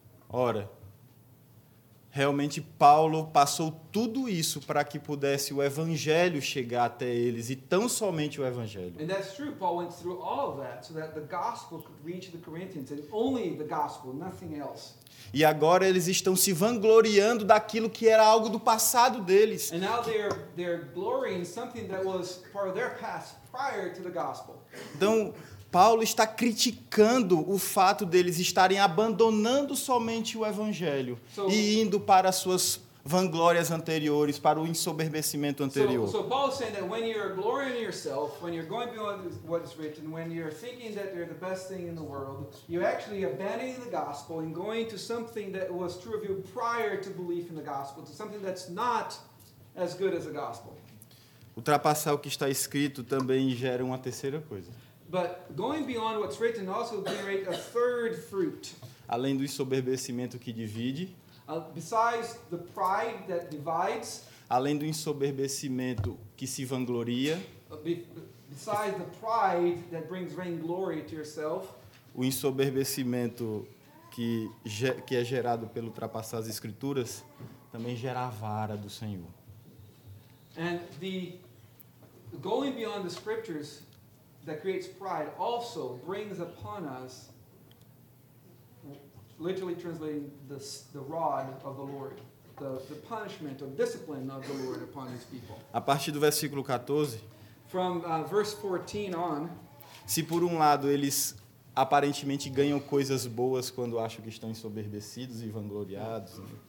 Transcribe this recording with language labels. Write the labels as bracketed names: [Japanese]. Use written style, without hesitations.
[Portuguese] Ora, realmente Paulo passou tudo isso para que pudesse o evangelho chegar até eles, e tão somente o evangelho. [English] And that's true. Paul went through all of that so that the gospel could reach the Corinthians, and only the gospel, nothing else. [Portuguese] E agora eles estão se vangloriando daquilo que era algo do passado deles. [English] And now they're glorying something that was part of their past prior to the gospel. [Portuguese] Então, Paulo está criticando o fato deles estarem abandonando somente o evangelho e indo para suas vanglórias anteriores, para o ensoberbecimento anterior. [English] So Paul is saying that when you're glorying yourself, when you're going beyond what is written, when you're thinking that you're the best thing in the world, you're actually abandoning the gospel and going to something that was true of you prior to belief in the gospel, to something that's not as good as the gospel. [Portuguese] Ultrapassar o que está escrito também gera uma terceira coisa. [English] But going beyond what's written also generates a third fruit. [Portuguese] Além do ensoberbecimento que divide. [English] Besides the pride that divides. [Portuguese] Além do ensoberbecimento que se vangloria. [English] Besides the pride that brings vainglory to yourself. [Portuguese] O ensoberbecimento que é gerado pelo ultrapassar as escrituras também gera a vara do Senhor. [English] And the going beyond the scriptures that creates pride also brings upon us, literally translating the rod of the Lord, the punishment or discipline of the Lord upon his people. [Portuguese] A partir do versículo 14, [English] from verse 14 on, [Portuguese] se por um lado eles aparentemente ganham coisas boas quando acham que estão ensoberbecidos e vangloriados, né?